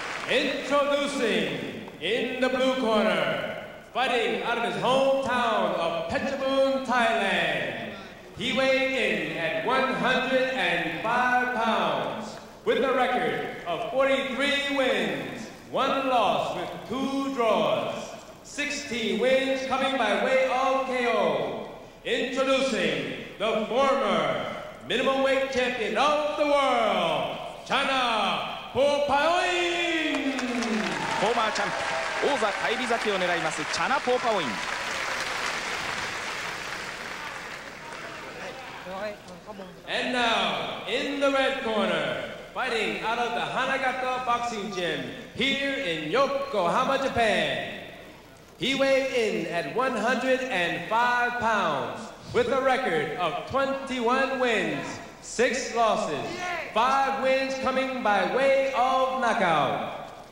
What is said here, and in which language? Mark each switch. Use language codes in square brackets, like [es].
[en] Introducing, in the blue corner, fighting out of his hometown of Phetchabun, Thailand, he weighed in at 105 pounds, with a record of 43 wins, one loss with two draws. 16 wins coming by way of KO. Introducing the former minimum weight champion of the world, China Popaoin! Former champion, [ja] 王座返り咲きを狙います、チャナ・ポーパオイン。 [en] And now, in the red corner, fighting out of the Hanagata Boxing Gym here in Yokohama, Japan. He weighed in at 105 pounds with a record of 21 wins, 6 losses, 5 wins coming by way of knockout.